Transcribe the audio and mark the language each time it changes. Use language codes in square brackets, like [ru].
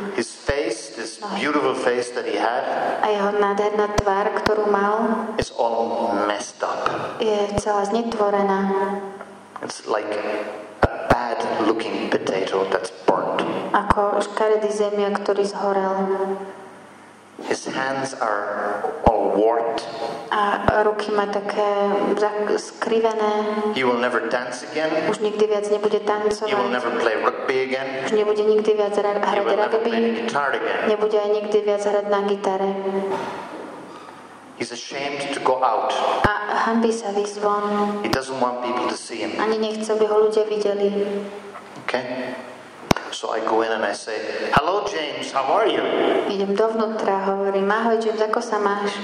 [en] His face, this beautiful face that he had. [sk] A jeho nádherná tvár, ktorú mal. [en] Is all messed up. [sk] Je celá znetvorená. [en] It's like a bad looking potato that's burnt. [sk] Ako škaredý zemiak, ktorý zhorel. [en] His hands are all warped. [sk] A ruky má také skrivené. [en] He will never dance again. [sk] Už nikdy viac nebude tancovať. [en] He will never play rugby again. [sk] Už nebude nikdy viac hrať rugby. [en] He will never play guitar again. [sk] Nebude aj nikdy viac hrať na gitare. [en] He's ashamed to go out. [sk] A hanbí sa vyjsť von. [en] He doesn't want people to see him. [sk] Ani nechce, aby ho ľudia videli. [en] Okay. So I go in and I say, "Hello James, how are you?" [sk] Idem dovnútra, hovorím, ahoj James, ako sa máš?